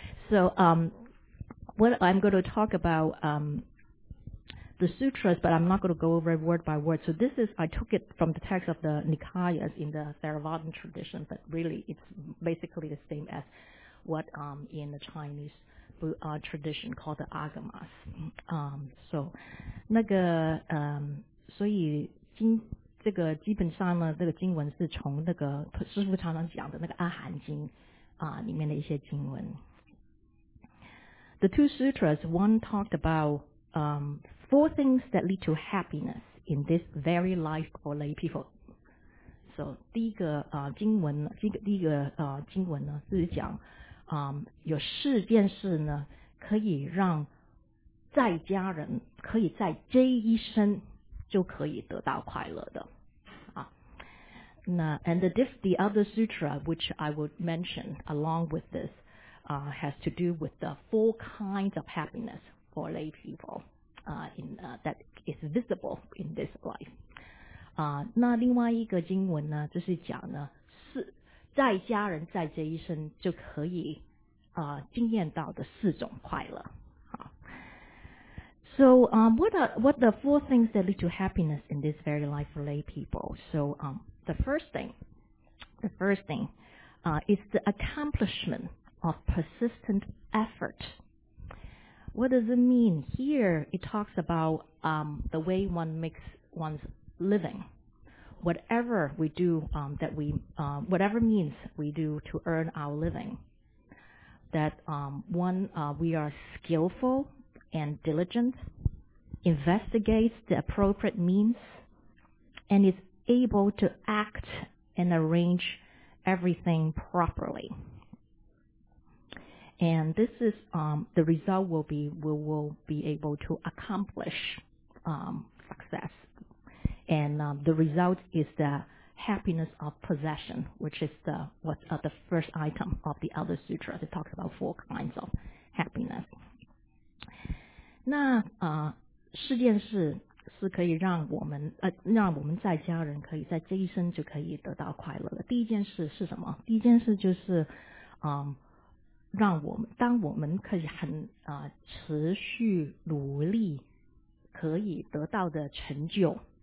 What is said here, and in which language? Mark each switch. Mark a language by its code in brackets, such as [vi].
[en] So what I'm going to talk about the sutras, but I'm not going to go over it word by word. So this is, I took it from the text of the Nikayas in the Theravadan tradition, but really it's basically the same as what in the Chinese tradition called the Agamas. [zh] So 那个所以经这个基本上呢，这个经文是从那个师父常常讲的那个阿含经里面的一些经文。 [en] The two sutras, one talked about four things that lead to happiness in this very life for lay people. [zh] So 第一个经文，第一个经文呢是讲有四件事呢，可以让在家人可以在这一生就可以得到快乐的啊。 [en] 那 and the other sutra which I would mention along with this has to do with the four kinds of happiness for lay people that is visible in this life. [zh] 那另外一个经文呢，就是讲呢，是在家人在这一生就可以经验到的四种快乐。 [en] So what the four things that lead to happiness in this very life for lay people? So the first thing is the accomplishment of persistent effort. What does it mean? Here it talks about the way one makes one's living. Whatever we do, whatever means we do to earn our living, that we are skillful and diligent, investigates the appropriate means, and is able to act and arrange everything properly. And this is the result will be we will be able to accomplish success. And the result is the happiness of possession, which is the first item of the other sutras. It talks about four kinds of happiness. [zh] 那四件事是可以让我们在家人可以在这一生就可以得到快乐的。第一件事是什么？第一件事就是让我们当我们可以很持续努力可以得到的成就。